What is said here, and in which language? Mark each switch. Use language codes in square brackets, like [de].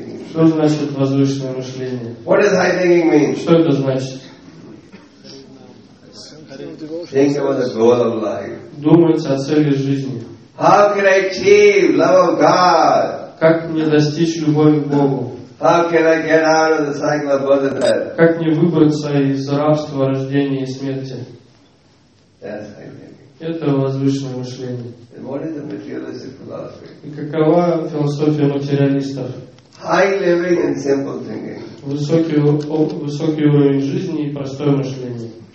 [ru] Что значит возвышенное мышление? Что это значит? [en] Think about the goal of life. [ru] Думать о цели жизни. [en] How can I achieve love of God? [ru] Как мне достичь любовь к Богу? [en] How can I get out of the cycle of birth and death? [ru] Как мне выбраться из рабства, рождения и смерти? Это возвышенное мышление. [en] And what is the materialistic philosophy? [ru] И какова философия материалистов? [en] High living and simple thinking. [ru] Высокий уровень жизни и простое мышление.